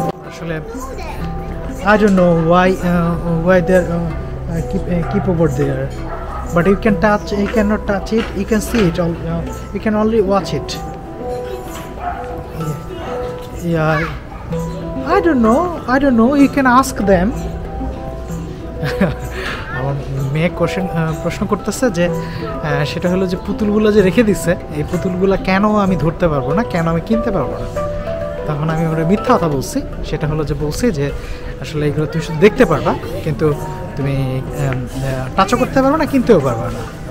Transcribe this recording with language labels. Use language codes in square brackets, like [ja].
[en] আসলে I don't know why they keep over there, but you can touch, you can not touch it, you can see it, you can only watch it. I don't know, you can ask them. [bn] আমার মেয়ে প্রশ্ন করতেছে যে সেটা হলো যে পুতুলগুলো যে রেখে দিচ্ছে এই পুতুলগুলো কেন আমি ধরতে পারবো না, কেন আমি কিনতে পারবো না। তখন আমি ওরা মিথ্যা কথা বলছি, সেটা হলো যে বলছি যে আসলে এইগুলো তুমি শুধু দেখতে পারবা কিন্তু তুমি টাচও করতে পারবো না কিনতেও পারবো না।